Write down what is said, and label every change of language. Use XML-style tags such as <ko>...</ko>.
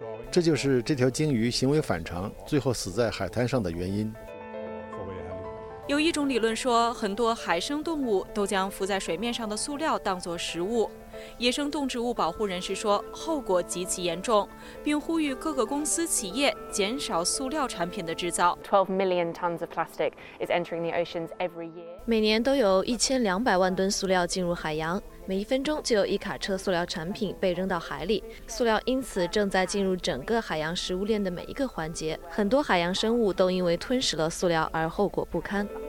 <zh>这就是这条鲸鱼行为反常，最后死在海滩上的原因。有一种理论说，很多海生动物都将浮在水面上的塑料当作食物。野生动植物保护人士说，后果极其严重，并呼吁各个公司企业减少塑料产品的制造。</zh> <en>12 million tons of plastic is entering the oceans every year.</en> <zh>每年都有1200万吨塑料进入海洋，每一分钟就有一卡车塑料产品被扔到海里。塑料因此正在进入整个海洋食物链的每一个环节，很多海洋生物都因为吞食了塑料而后果不堪。</zh>